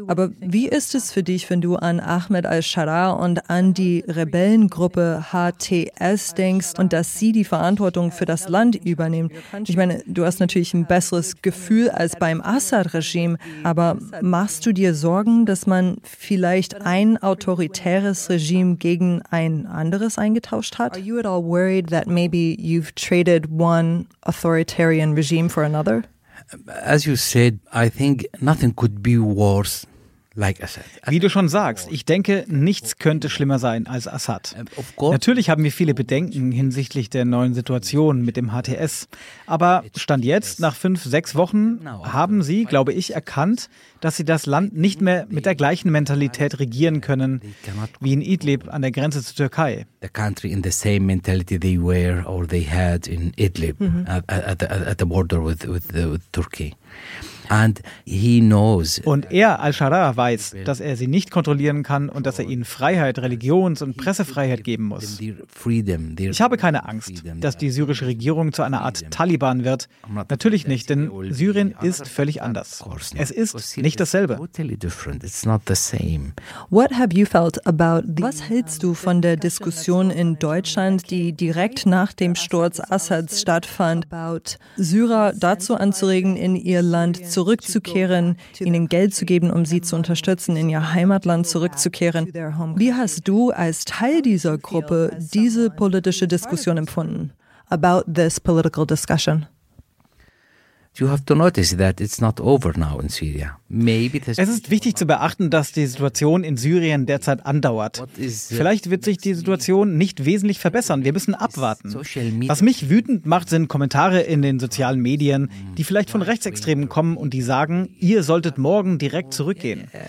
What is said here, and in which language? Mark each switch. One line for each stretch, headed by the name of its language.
German: Aber wie ist es für dich, wenn du an Ahmed al-Sharaa und an die Rebellengruppe HTS denkst und dass sie die Verantwortung für das Land übernehmen? Ich meine, du hast natürlich ein besseres Gefühl als beim Assad-Regime, aber machst du dir Sorgen, dass man vielleicht ein autoritäres Regime gegen ein anderes eingetauscht hat?
English: Are you at all worried that maybe you've traded one authoritarian regime for another? As you said, I think nothing could be worse like Assad.
German: Wie du schon sagst, ich denke, nichts könnte schlimmer sein als Assad. Natürlich haben wir viele Bedenken hinsichtlich der neuen Situation mit dem HTS. Aber Stand jetzt, nach 5-6 Wochen, haben sie, glaube ich, erkannt, dass sie das Land nicht mehr mit der gleichen Mentalität regieren können wie in Idlib an der Grenze zur Türkei.
English: The country in the same mentality they were or they had in Idlib, at the border with Turkey. And he knows.
German: Und er, al-Sharaa, weiß, dass er sie nicht kontrollieren kann und dass er ihnen Freiheit, Religions- und Pressefreiheit geben muss. Ich habe keine Angst, dass die syrische Regierung zu einer Art Taliban wird. Natürlich nicht, denn Syrien ist völlig anders. Es ist nicht dasselbe. Was hältst du von der Diskussion in Deutschland, die direkt nach dem Sturz Assads stattfand, about Syrer dazu anzuregen, in ihr Land zurückzukehren, ihnen Geld zu geben, um sie zu unterstützen, in ihr Heimatland zurückzukehren. Wie hast du als Teil dieser Gruppe diese politische Diskussion empfunden?
English: About this political discussion. You have to notice that it's not over now in Syria.
German: Es ist wichtig zu beachten, dass die Situation in Syrien derzeit andauert. Vielleicht wird sich die Situation nicht wesentlich verbessern. Wir müssen abwarten. Was mich wütend macht, sind Kommentare in den sozialen Medien, die vielleicht von Rechtsextremen kommen und die sagen, ihr solltet morgen direkt zurückgehen.